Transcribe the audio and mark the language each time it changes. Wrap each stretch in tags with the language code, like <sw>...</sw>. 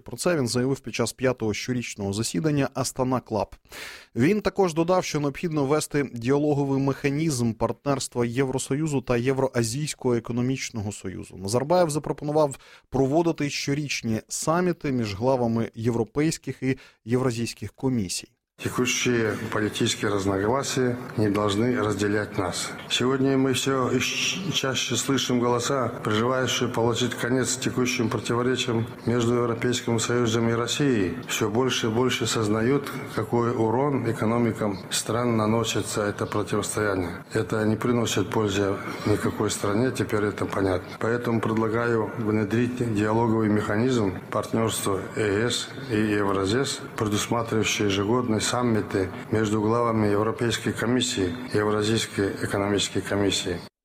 <uk>Про це він заявив під час п'ятого щорічного засідання Астана Клаб. Він також додав, що необхідно ввести діалоговий механізм партнерства Євросоюзу та Євроазійського економічного союзу. Назарбаєв запропонував проводити щорічні саміти між главами європейських і євразійських комісій.</uk> <ru>Текущие политические разногласия не должны разделять нас. Сегодня мы все чаще слышим голоса, призывающие положить конец текущим противоречиям между Европейским Союзом и Россией. Все больше и больше сознают, какой урон экономикам стран наносится это противостояние. Это не приносит пользы никакой стране, теперь это понятно. Поэтому предлагаю внедрить диалоговый механизм партнерства ЕС и Евразес, предусматривающий ежегодность</ru> <uk>саміти між главами Європейської комісії і Євразійської економічної комісії.</uk>